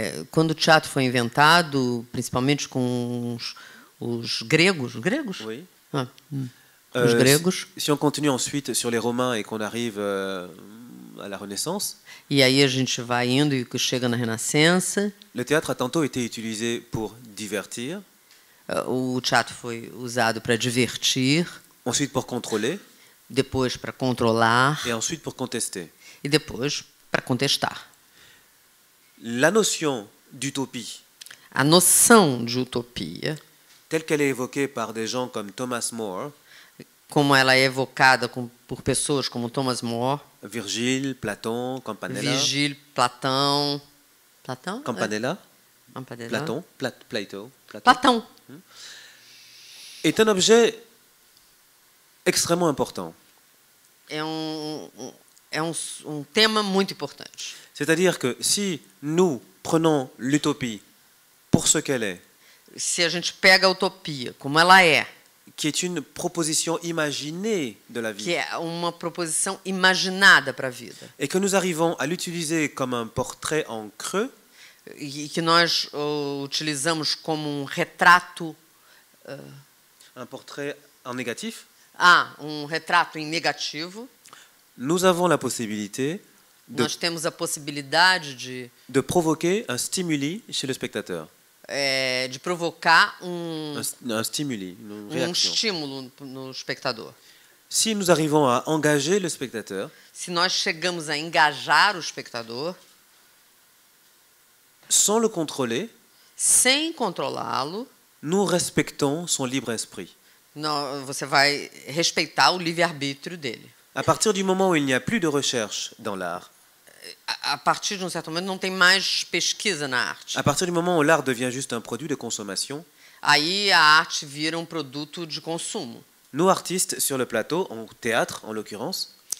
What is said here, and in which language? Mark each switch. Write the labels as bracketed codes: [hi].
[pt] quando o teatro foi inventado, principalmente com os gregos, [fr] Oui. [pt] Os gregos. [fr] Si on continue ensuite sur les romains et qu'on arrive à la Renaissance. [pt] E aí a gente vai indo e que chega na Renascença. [fr] Le théâtre a tantôt été utilisé pour divertir. [pt] O teatro foi usado para divertir. [fr] Ensuite pour contrôler. [pt] Depois para controlar. [fr] Et ensuite pour contester. [pt] E depois para contestar. [fr] La notion d'utopie. [pt] A noção de utopia. [fr] Telle qu'elle est évoquée par des gens comme Thomas More. [pt] Como ela é evocada por pessoas como Thomas More. [fr] Virgile, Platon, Campanella. [pt] Virgile, Platão. Platão? [fr] Campanella. [pt] Campanella. [fr] Platon. Plato. [pt] Platão. [fr] Est un objet. Extrêmement important. [pt] É um tema muito importante. [fr] C'est-à-dire que si nous prenons l'utopie pour ce qu'elle est. [pt] Se a gente pega a utopia como ela é. [fr] Qui est une proposition imaginée de la vie. [pt] Que é uma proposição imaginada para a vida. [fr] Et que nous arrivons à l'utiliser comme un portrait en creux. [pt] E que nós utilizamos como um retrato [fr] un portrait en négatif. [pt] Um retrato em negativo. [fr] Nous avons la possibilité de, [pt] nós temos a possibilidade de. [fr] De provoquer un stimuli chez le spectateur. [pt] De provocar um. [fr] Un stimuli, une réaction. [pt] Um estímulo no espectador. [fr] Si nous arrivons à engager le spectateur. [pt] Se nós chegamos a engajar o espectador. [fr] Sans le contrôler. [pt] Sem controlá-lo. [fr] Nous respectons son libre esprit. [pt] Não, você vai respeitar o livre-arbítrio dele. [fr] À partir du moment où il n'y a plus de recherche dans l'art. [pt] À partir de um certo momento não tem mais pesquisa na arte. [fr] À partir du moment où l'art devient juste un produit de consommation. [pt] Aí a arte vira um produto de consumo. [fr] Nous artistes sur le plateau, en théâtre en l'occurrence.